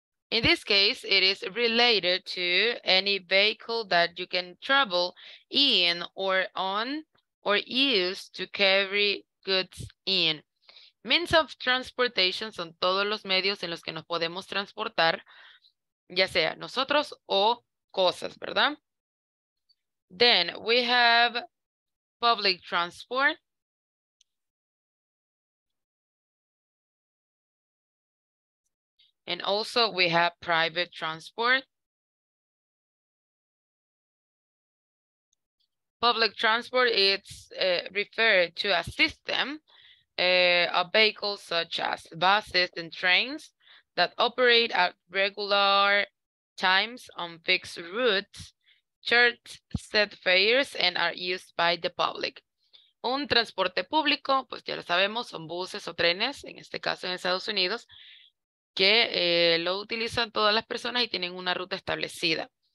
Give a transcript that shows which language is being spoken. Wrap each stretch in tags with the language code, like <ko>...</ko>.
<en>In this case, it is related to any vehicle that you can travel in or on or use to carry goods in. Means of transportation</en> <es>son todos los medios en los que nos podemos transportar, ya sea nosotros o cosas, ¿verdad?</es> <en>Then we have public transport. And also we have private transport. Public transport is referred to a system. A vehicle such as buses and trains that operate at regular times on fixed routes, charge set fares, and are used by the public.</en> <es>Un transporte público, pues ya lo sabemos, son buses o trenes, en este caso en Estados Unidos, que lo utilizan todas las personas y tienen una ruta establecida.</es>